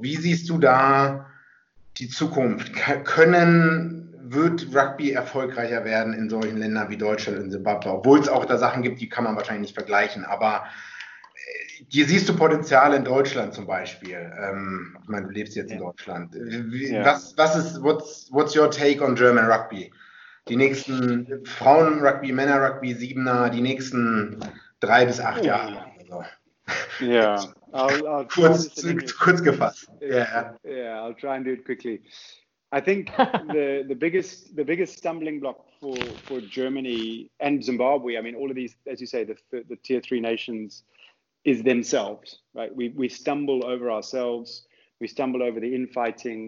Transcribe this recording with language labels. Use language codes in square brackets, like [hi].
[de] Wie siehst du da die Zukunft? Wird Rugby erfolgreicher werden in solchen Ländern wie Deutschland und Zimbabwe? Obwohl es auch da Sachen gibt, die kann man wahrscheinlich nicht vergleichen, aber hier siehst du Potenzial in Deutschland zum Beispiel. Ich meine, du lebst jetzt in Deutschland. [en] What's your take on German Rugby? [de] Die nächsten Frauen-Rugby, Männer-Rugby, Siebener, die nächsten 3 bis 8 Jahre. Also. Ja. kurz gefasst. [en] I'll try and do it quickly. I think the biggest stumbling block for Germany and Zimbabwe, I mean, all of these, as you say, the tier three nations, is themselves, right? We stumble over ourselves. We stumble over the infighting.